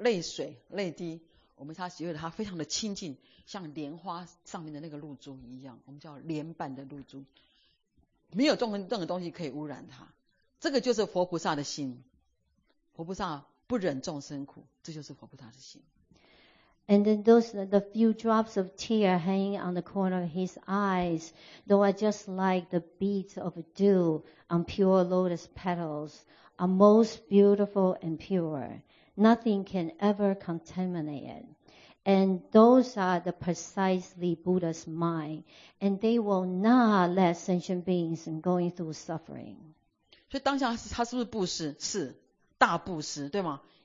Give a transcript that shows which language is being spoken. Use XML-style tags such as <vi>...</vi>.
<zh>所以他这个泪水泪滴，我们他觉得他非常的亲近， 像莲花上面的那个露珠一样， 我们叫莲瓣的露珠， 没有任何东西可以污染他。这个就是佛菩萨的心， 佛菩萨不忍众生苦， 这就是佛菩萨的心。</zh> <en>And then the few drops of tear hanging on the corner of his eyes, though are just like the beads of dew on pure lotus petals, are most beautiful and pure. Nothing can ever contaminate it. And those are the precisely Buddha's mind, and they will not let sentient beings going through suffering.</en> <zh>所以当下他是不是布施？是，大布施，对吗？</zh>